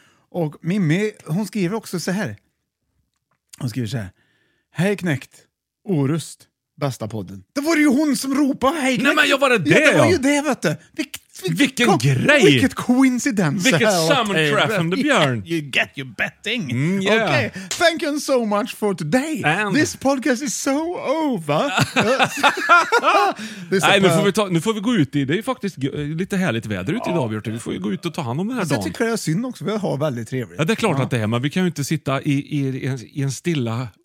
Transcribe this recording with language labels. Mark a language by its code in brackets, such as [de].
[sv] Och Mimmi, hon skriver också så här. Hon skriver så här: "Hej knäckt, Orust, bästa podden." Det var ju hon som ropade hej knäckt. Nej men jag var det. Ja, det var ju det, vet du. Vilken grej! Vilket coincidence! Vilket sammanträffande, Björn! [en] You get your betting! Yeah. Okay, thank you so much for today! And this podcast is so over! [sv] Nej, nu får vi gå ut i... Det är faktiskt lite härligt väder ute idag, Björn. Vi får ju gå ut och ta hand om den här dagen. Jag tycker det är synd också, vi har väldigt trevligt. Ja, det är klart att det är, men vi kan ju inte sitta i en stilla...